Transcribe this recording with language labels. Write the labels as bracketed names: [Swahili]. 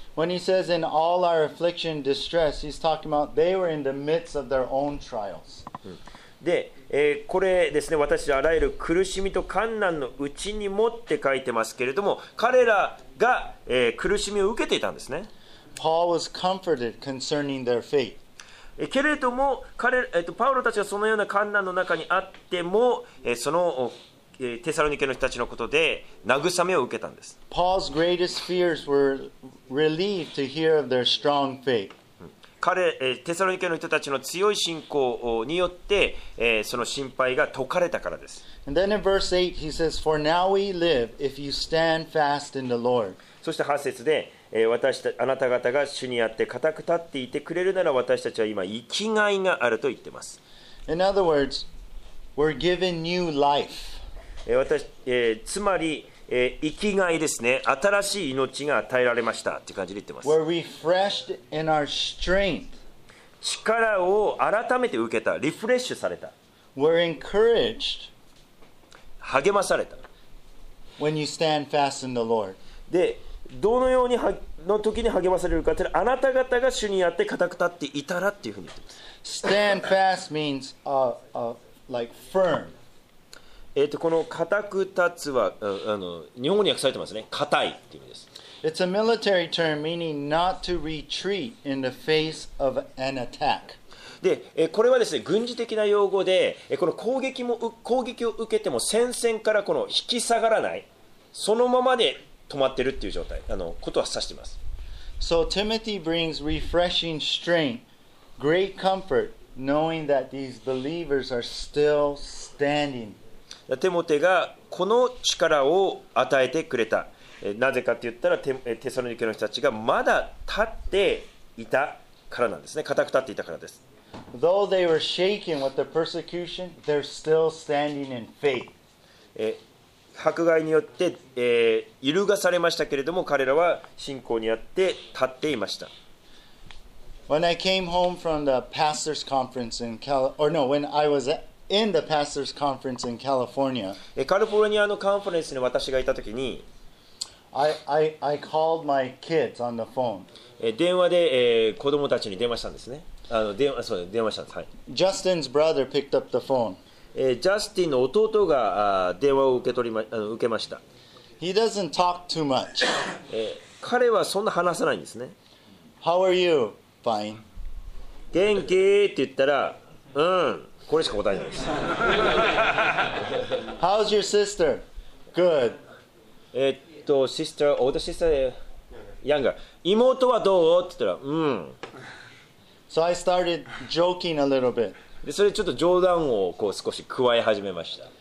[English] When he says in all our affliction and distress, he's talking about they were in the midst of their own trials. [Japanese] で、これですね、私はあらゆる苦しみと患難のうちにもって書いてますけれども、彼らが、苦しみを受けていたんですね。 [English] Paul was comforted concerning their faith. [Japanese] けれども、パウロたちはそのような患難の中にあっても、そのテサロニケの人たちのことで慰めを受けたんです。 [English] Paul's greatest fears were relieved to hear of their strong faith. [Japanese] 彼、テサロニケの人たちの強い信仰によって、その心配が解かれたからです。 [English] And then in verse 8, he says, For now we live if you stand fast in the Lord. [Japanese] そして8節で、あなた方が主にあって固く立っていてくれるなら私たちは今生きがいがあると言ってます。 [English] In other words, we're given new life. [Japanese] つまり、生きがいですね、新しい命が与えられましたって感じで言ってます。 [English] We're refreshed in our strength. [Japanese] 力を改めて受けた、リフレッシュされた。 [English] We're encouraged. [Japanese] 励まされた。 [English] When you stand fast in the Lord. [Japanese] で、どのようにの時に励まされるかというのは、あなた方が主にあって固く立っていたらっていうふうに言ってます。 [English] Stand fast means like firm. [Japanese] この固く立つは日本語に訳されてますね。固いっていう意味です。 [English] It's a military term meaning not to retreat in the face of an attack. [Japanese] で、これはですね、軍事的な用語で、この攻撃を受けても戦線からこの引き下がらない、そのままで止まってるっていう状態、ことは指しています。 [English] So Timothy brings refreshing strength, great comfort, knowing that these believers are still standing. [Japanese] テモテがこの力を与えてくれた。なぜかって言ったら、テサロニケの人たちがまだ立っていたからなんですね。固く立っていたからです。 [English] Though they were shaken with the persecution, they're still standing in faith. [Japanese] 迫害によって、揺るがされましたけれども、彼らは信仰にあって立っていました。 [English] When I came home from the pastor's conference in California, when I was in the pastor's conference in California, [Japanese] カリフォルニアのカンファレンスに私がいたときに、 [English] I called my kids on the phone. [Japanese] 電話で、子供たちに電話したんですね。電話したんです。はい。 [English] Justin's brother picked up the phone. [Japanese] ジャスティンの弟が電話を受けました。 [English] He doesn't talk too much. [Japanese] 彼はそんな話さないんですね。 [English] How are you? Fine. [Japanese] 元気って言ったら、うん、これしか答えないです。 [English] How's your sister? Good. Sister, older sister, younger. [Japanese] 妹はどうって言ったら、うん。 [English] So I started joking a little bit. [Japanese] でそれちょっと冗談をこう少し加え始めました。